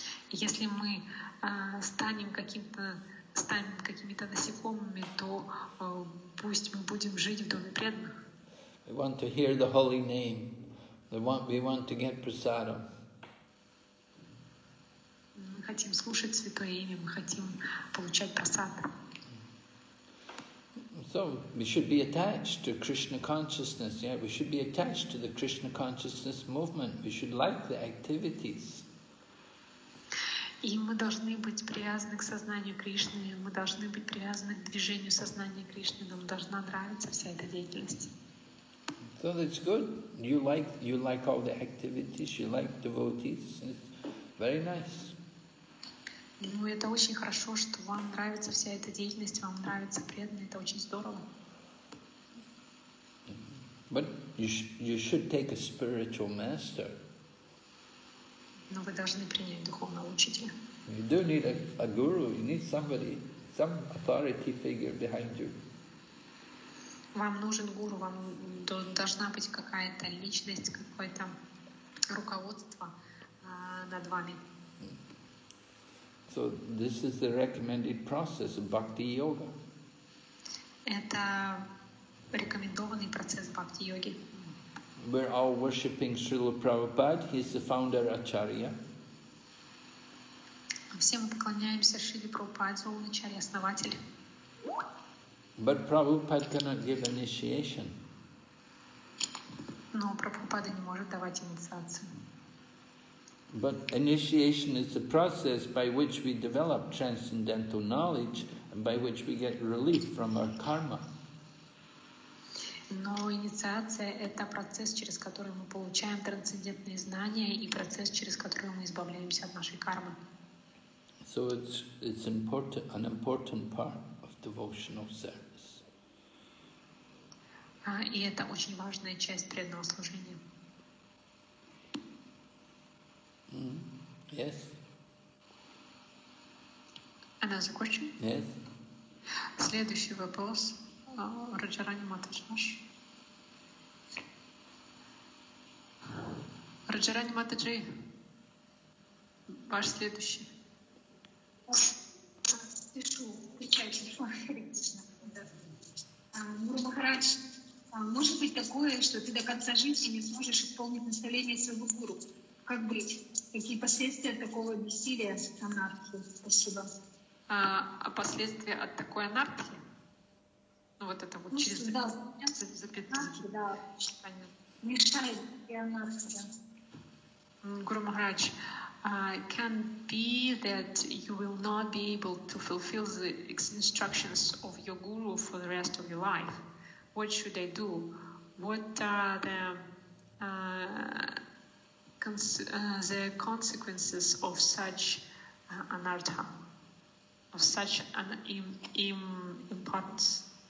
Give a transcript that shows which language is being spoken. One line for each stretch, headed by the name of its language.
Russian: Если мы станем какими-то насекомыми, то пусть мы будем жить в доме преданных.
English: We want to hear the holy name. We want to get prasadam.
Russian: Мы хотим слушать святое имя, мы хотим получать прасад.
English: So we should be attached to Krishna consciousness. Yeah, we should be attached to the Krishna consciousness movement. We should like the activities.
Russian: И мы должны быть привязаны к сознанию Кришны, мы должны быть привязаны к движению сознания Кришны, нам должна нравиться вся эта деятельность.
English: So that's good. You like all the activities, you like devotees. It's very nice.
Russian: Ну, это очень хорошо, что вам нравится вся эта деятельность, вам нравится преданное, это очень здорово.
English: But you should take a spiritual master.
Russian: Но вы должны принять духовного учителя.
English: You do need a guru, you need somebody, some authority figure behind you.
Russian: Вам нужен гуру, вам должна быть какая-то личность, какое-то руководство над вами.
English: So this is the recommended process of bhakti yoga.
Russian: Это рекомендованный процесс бхакти йоги.
English: We're all worshipping Srila Prabhupada. He's the founder Acharya.
Russian: Все мы поклоняемся Шриле Прабхупаде, он Ачарья, основатель.
English: But Prabhupada cannot give initiation.
Russian: Но Прабхупада не может давать инициацию.
English: But initiation is the process by which we develop transcendental knowledge and by which we get relief from our karma.
Russian: Но инициация – это процесс, через который мы получаем трансцендентные знания и процесс, через который мы избавляемся от нашей кармы.
English: So it's important, an important part of devotional service.
Russian: И это очень важная часть преданного служения.
English: Yes.
Russian: Она закончена?
English: Yes.
Russian: Следующий вопрос. Раджарани Матадж, можешь? Раджарани Матаджи, ваш следующий. Слышу, включаю телефон, Кришна. Гуру Махарадж, может быть такое, что ты до конца жизни не сможешь исполнить наставление своего гуру? Как быть? Какие последствия от такого бессилия от анархии? Спасибо. А последствия от такой анархии? Ну вот это вот через запятую. Да, да. Мешает и анархия.
English: Guru Maharaj, can be that you will not be able to fulfill the instructions of your guru for the rest of your life. What should I do? What are the consequences of such anartha, of such an importance?